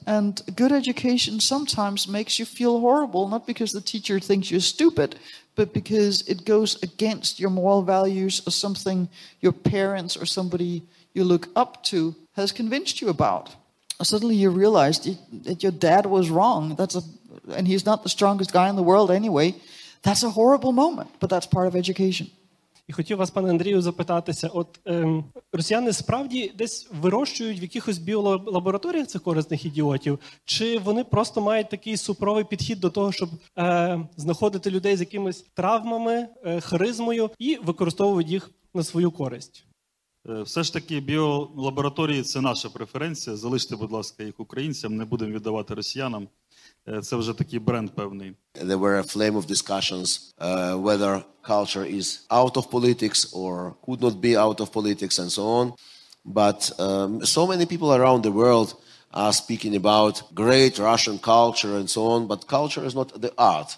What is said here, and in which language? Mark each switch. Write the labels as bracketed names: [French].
[English] And good education sometimes makes you feel horrible, not because the teacher thinks you're stupid, but because it goes against your moral values or something your parents or somebody you look up to has convinced you about. Suddenly you realize that your dad was wrong. And he's not the strongest guy in the world anyway. That's a horrible moment, but that's part of education. [Ukrainian] І хотів вас, пане Андрію, запитатися, от росіяни справді десь вирощують в якихось біолабораторіях цих корисних ідіотів, чи вони просто мають такий супровий підхід до того, щоб знаходити людей з якимись травмами, харизмою і використовувати їх на свою користь? Все ж таки біолабораторії – це наша преференція. Залиште, будь ласка, їх українцям, не будемо віддавати росіянам. Це вже такий бренд певний. [English] There were a flame of discussions whether culture is out of politics or could not be out of politics and so on. But so many people around the world are speaking about great Russian culture and so on, but culture is not the art.